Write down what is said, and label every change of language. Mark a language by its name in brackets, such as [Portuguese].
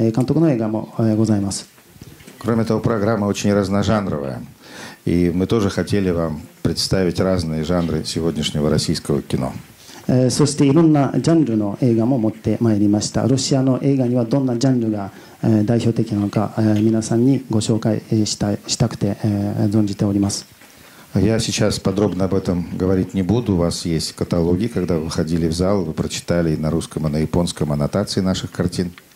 [Japanese] そして今回皆さんのためにロシアのあらゆるジャンルの映画を持って参りました。その中ではもう一度申し上げますけれども、天才のロシアの監督であるルスタム・ハムダモフの熟した監督の映画もありまして、そして他に若者の監督の映画もございます。 [Russian] Кроме этого, программа очень разножанровая. И мы тоже хотели вам представить разные жанры сегодняшнего российского кино. [Japanese] そしていろんなジャンルの映画も持ってまいりました。ロシアの映画にはどんなジャンルが代表的なのか皆さんにご紹介したくて存じております。 [Russian] Я сейчас подробно об этом говорить не буду. У вас есть каталоги, когда вы ходили в зал, вы прочитали на русском и на японском аннотации наших картин.